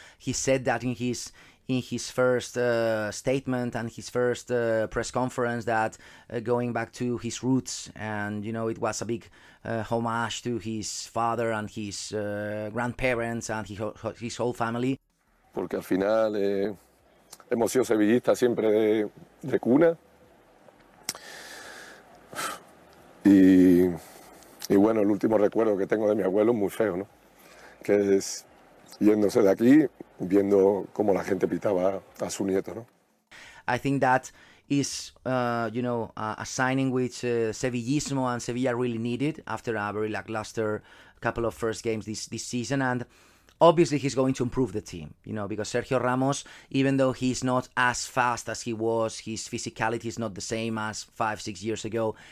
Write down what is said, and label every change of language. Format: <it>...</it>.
<en>He said that in his first statement and his first press conference, that going back to his roots, and, you know, it was a big homage to his father and his grandparents and his whole family.</en> <es>Porque al final hemos sido sevillistas siempre de cuna. Y bueno, el último recuerdo que tengo de mi abuelo es muy feo, ¿no? Que es yéndose de aquí, viendo cómo la gente pitaba a su nieto, ¿no?</es> <en>I think that is, you know, a signing which Sevillismo and Sevilla really needed after a very lackluster couple of first games this season. And obviously he's going to improve the team, you know, because Sergio Ramos, even though he's not as fast as he was, his physicality is not the same as 5-6 years ago.</en>